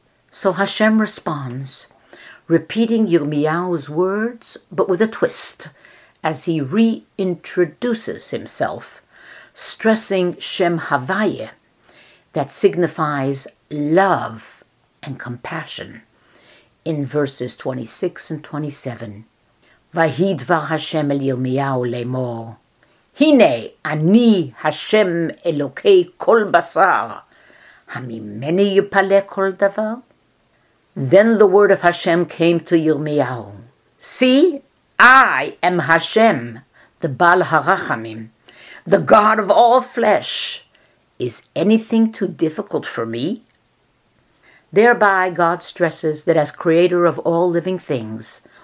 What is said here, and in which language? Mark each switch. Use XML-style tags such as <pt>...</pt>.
<en>So Hashem responds, repeating Yirmiyahu's words, but with a twist, as he reintroduces himself, stressing Shem Havayeh, that signifies love and compassion, in verses 26 and 27.</en> <he>Vahi dvar Hashem el Yirmiyahu lemor, הנה אני השם אלוקי כל בשר, הממני יפלא כל דבר?</he> <en>Then the word of Hashem came to Yirmiyahu. See, I am Hashem, the Baal HaRachamim, the God of all flesh. Is anything too difficult for me? Thereby God stresses that as creator of all living things,</en>